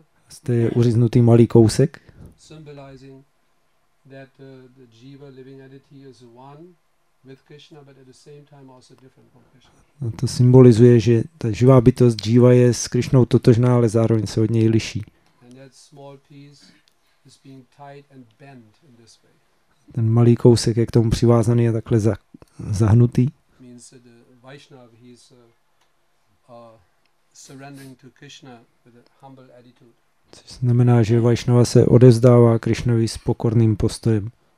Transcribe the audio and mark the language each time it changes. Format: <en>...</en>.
<cs>Zde je uříznutý malý kousek,</cs> <en>that the jiva living entity is one with Krishna, but at the same time also different from Krishna.</en> <cs>To symbolizuje, že ta živá bytost jiva je s Krišnou totožná, ale zároveň se od něj liší.</cs> <en>And that small piece is being tied and bent in this way.</en> <cs>Ten malý kousek je k tomu přivázaný a takhle zahnutý.</cs> <en>Means that the Vaishnava, he is surrendering to Krishna with a humble attitude.</en> <cs>Což znamená, že Vaishnava se odevzdává Krišnovi s pokorným postojem.</cs>